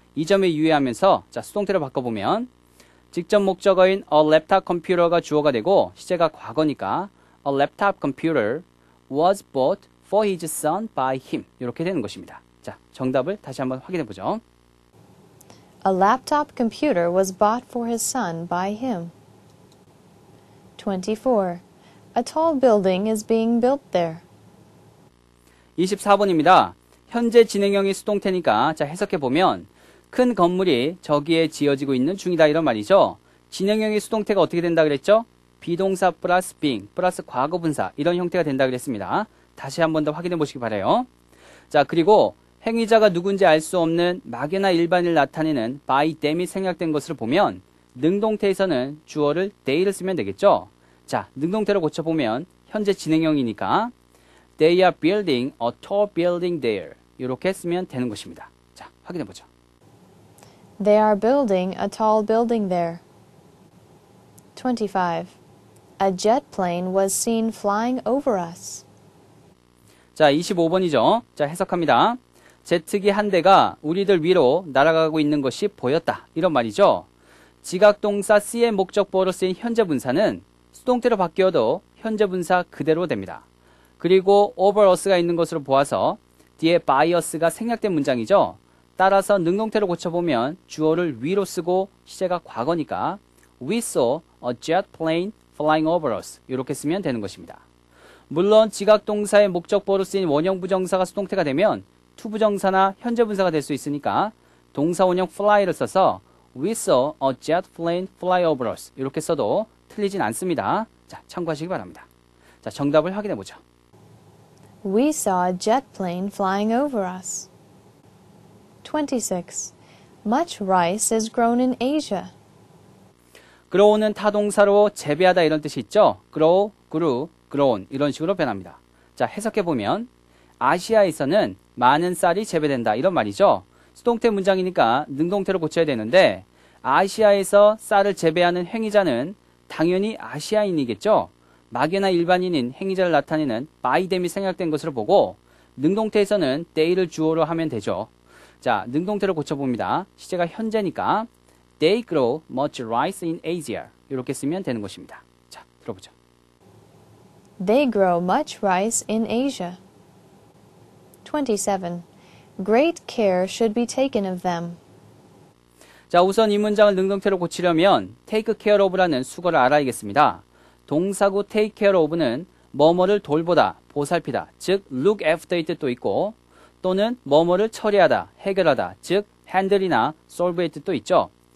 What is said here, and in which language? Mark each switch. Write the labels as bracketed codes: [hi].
[ko] 이 점에 유의하면서 자, 수동태로 바꿔보면 직접 목적어인 [en] a laptop computer가 주어가 되고 시제가 과거니까 a laptop computer was bought for his son by him [ko] 이렇게 되는 것입니다. 자, 정답을 다시 한번 확인해 보죠. [en] A laptop computer was bought for his son by him. 24. A tall building is being built there. [ko] 24번입니다. 현재 진행형이 수동태니까 자, 해석해 보면 큰 건물이 저기에 지어지고 있는 중이다 이런 말이죠. 진행형의 수동태가 어떻게 된다 그랬죠? 비동사 플러스 being 플러스 과거분사 이런 형태가 된다 그랬습니다. 다시 한 번 더 확인해 보시기 바래요. 자, 그리고 행위자가 누군지 알 수 없는 막연한 일반을 나타내는 by them이 생략된 것으로 보면 능동태에서는 주어를 they를 쓰면 되겠죠. 자, 능동태로 고쳐보면 현재 진행형이니까 [en] they are building a tall building there [ko] 이렇게 쓰면 되는 것입니다. 자, 확인해 보죠. [en] They are building a tall building there. 25. A jet plane was seen flying over us. [ko] 자, 25번이죠. 자, 해석합니다. 제트기 한 대가 우리들 위로 날아가고 있는 것이 보였다. 이런 말이죠. 지각동사 C의 목적보로 쓰인 현재분사는 수동태로 바뀌어도 현재분사 그대로 됩니다. 그리고 over us가 있는 것으로 보아서 뒤에 by us가 생략된 문장이죠. 따라서 능동태로 고쳐보면 주어를 위로 쓰고 시제가 과거니까 [en] We saw a jet plane flying over us. [ko] 이렇게 쓰면 되는 것입니다. 물론 지각동사의 목적보로 쓰인 원형부정사가 수동태가 되면 투부정사나 현재분사가 될 수 있으니까 동사원형 fly를 써서 [en] We saw a jet plane fly over us. [ko] 이렇게 써도 틀리진 않습니다. 자, 참고하시기 바랍니다. 자, 정답을 확인해 보죠. [en] We saw a jet plane flying over us. 26. Much rice is grown in Asia. [ko] grow는 타동사로 재배하다 이런 뜻이 있죠. grow, grew, grown 이런 식으로 변합니다. 자, 해석해 보면 아시아에서는 많은 쌀이 재배된다 이런 말이죠. 수동태 문장이니까 능동태로 고쳐야 되는데 아시아에서 쌀을 재배하는 행위자는 당연히 아시아인이겠죠. 막연한 일반인인 행위자를 나타내는 by them이 생략된 것으로 보고 능동태에서는 they를 주어로 하면 되죠. 자, 능동태로 고쳐봅니다. 시제가 현재니까 [en] They grow much rice in Asia. [ko] 이렇게 쓰면 되는 것입니다. 자, 들어보죠. [en] They grow much rice in Asia. 27. Great care should be taken of them. [ko] 자, 우선 이 문장을 능동태로 고치려면 take care of라는 수거를 알아야겠습니다. 동사구 take care of는 뭐뭐를 돌보다, 보살피다, 즉 look after 이 뜻도 있고 또는 뭐뭐를 처리하다, 해결하다, 즉 handle이나 solve 이 뜻도 있죠.